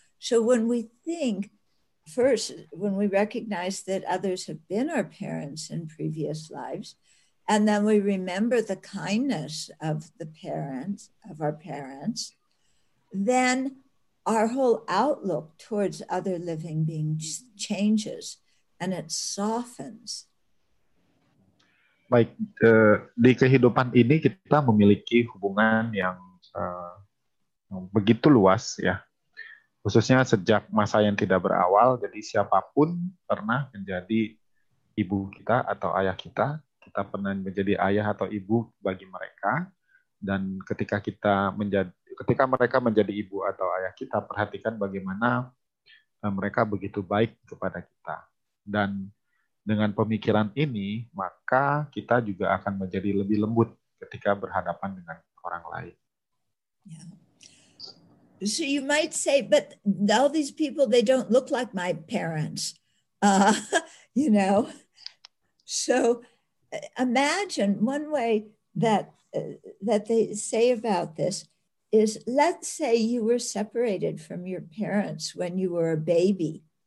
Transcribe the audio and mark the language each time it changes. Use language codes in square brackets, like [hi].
[en] So when we think first, when we recognize that others have been our parents in previous lives, and then we remember the kindness of the parents, of our parents, then our whole outlook towards other living beings changes and it softens. [id] Baik, di kehidupan ini kita memiliki hubungan yang begitu luas ya, khususnya sejak masa yang tidak berawal. Jadi siapapun pernah menjadi ibu kita atau ayah kita, kita pernah menjadi ayah atau ibu bagi mereka. Dan ketika mereka menjadi ibu atau ayah kita, perhatikan bagaimana mereka begitu baik kepada kita. Dan dengan pemikiran ini, maka kita juga akan menjadi lebih lembut ketika berhadapan dengan orang lain. [en] Yeah. So you might say, but all these people, they don't look like my parents. You know? So imagine one way that they say about this is, let's say you were separated from your parents when you were a baby.